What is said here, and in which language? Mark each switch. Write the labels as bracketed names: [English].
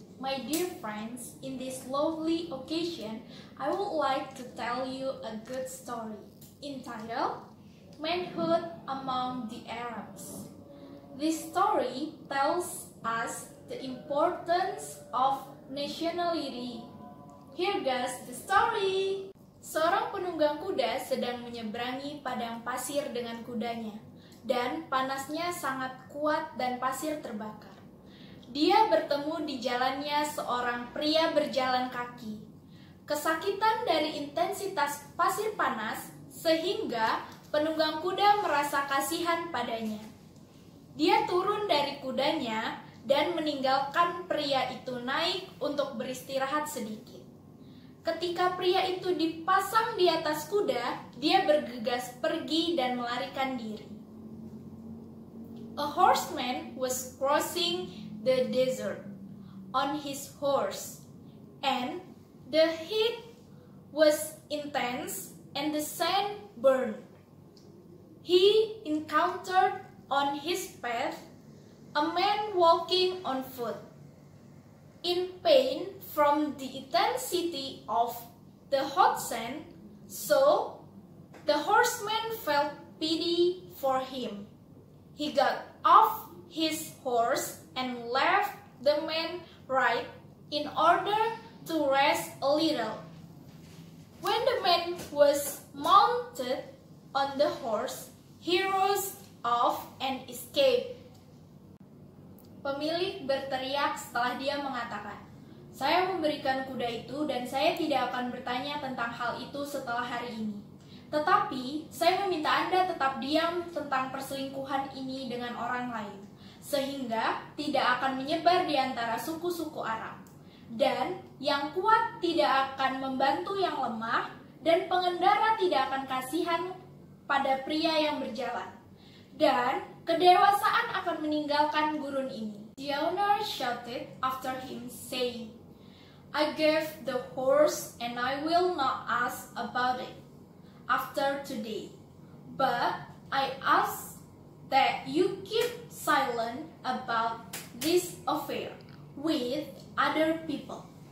[English] My dear friends, in this lovely occasion, I would like to tell you a good story entitled Manhood Among the Arabs. This story tells us the importance of nationality. Here goes the story. [Indonesian] Seorang penunggang kuda sedang menyeberangi padang pasir dengan kudanya, dan panasnya sangat kuat dan pasir terbakar. Dia bertemu di jalannya seorang pria berjalan kaki. Kesakitan dari intensitas pasir panas sehingga penunggang kuda merasa kasihan padanya. Dia turun dari kudanya dan meninggalkan pria itu naik untuk beristirahat sedikit. Ketika pria itu dipasang di atas kuda, dia bergegas pergi dan melarikan diri. [English] A horseman was crossing the desert on his horse, and the heat was intense and the sand burned. He encountered on his path a man walking on foot. In pain from the intensity of the hot sand, so the horseman felt pity for him. He got off his horse and left the man right in order to rest a little. When the man was mounted on the horse, he rose off and escaped. [Indonesian] Pemilik berteriak setelah dia mengatakan, "Saya memberikan kuda itu dan saya tidak akan bertanya tentang hal itu setelah hari ini. Tetapi, saya meminta Anda tetap diam tentang perselingkuhan ini dengan orang lain, sehingga tidak akan menyebar di antara suku-suku Arab. Dan yang kuat tidak akan membantu yang lemah, dan pengendara tidak akan kasihan pada pria yang berjalan. Dan kedewasaan akan meninggalkan gurun ini." [English] The owner shouted after him, saying, "I gave the horse and I will not ask about it after today, but I ask that you keep silent about this affair with other people,